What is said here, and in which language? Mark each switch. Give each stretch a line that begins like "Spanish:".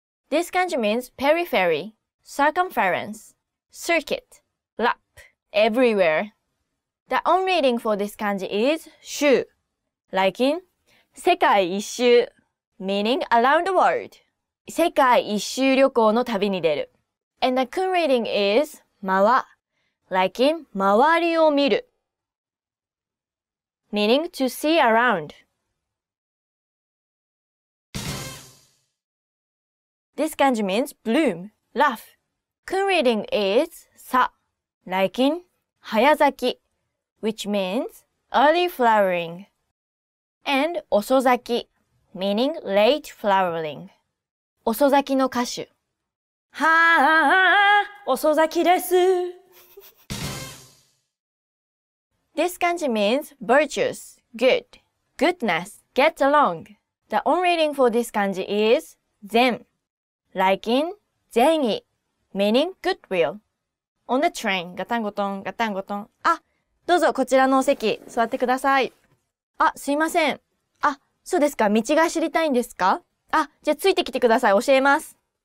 English: This kanji means periphery, circumference, circuit, lap, everywhere. The on reading for this kanji is shu, like in
Japanese: 世界一周
English: meaning around the world.
Japanese: 世界一周旅行の旅に出る。
English: And the kun reading is 回 like in
Japanese: 周りを見る。
English: meaning to see around. This kanji means bloom, laugh. Kun reading is sa like in
Japanese: 早咲き
English: which means early flowering. And
Japanese: 遅咲き
English: Meaning late flowering.
Japanese: 遅咲きの歌手。はあ、遅咲きです。
English: This kanji means virtuous, good, goodness, get along. The on reading for this kanji is zen, like in 善意, meaning goodwill. On the train, ガタンゴトン、ガタンゴトン。
Japanese: あ、どうぞこちらのお席、座ってください。あ、すいません。あ、そうですか、道が知りたいんですか？あ、じゃあついてきてください、教えます。